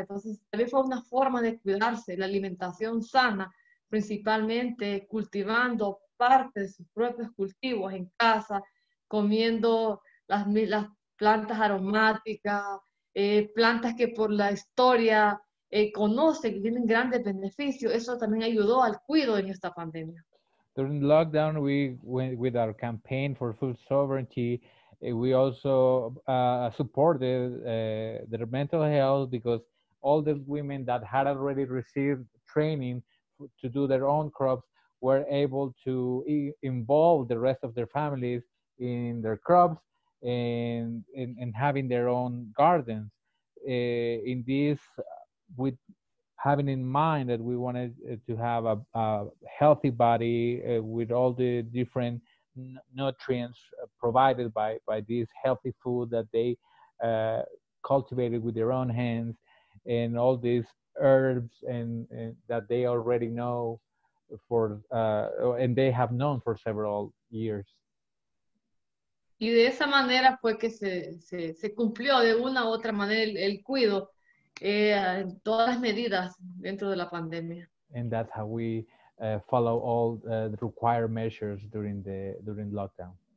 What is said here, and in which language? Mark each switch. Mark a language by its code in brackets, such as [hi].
[es] Entonces, también fue una forma de cuidarse, la alimentación sana, principalmente cultivando parte de sus propios cultivos en casa, comiendo las plantas aromáticas, plantas que por la historia conoce que tienen grandes beneficios. Eso también ayudó al cuidado en esta pandemia. [en] During lockdown, we went with our campaign for food sovereignty. We also supported their mental health because all the women that had already received training to do their own crops were able to involve the rest of their families in their crops and having their own gardens. With having in mind that we wanted to have a healthy body with all the different nutrients provided by this healthy food that they cultivated with their own hands and all these herbs and that they already know and they have known for several years. [es] Y de esa manera fue que se cumplió de una u otra manera el cuido. Todas las medidas dentro de la pandemia. [en] And that's how we follow all the required measures during lockdown.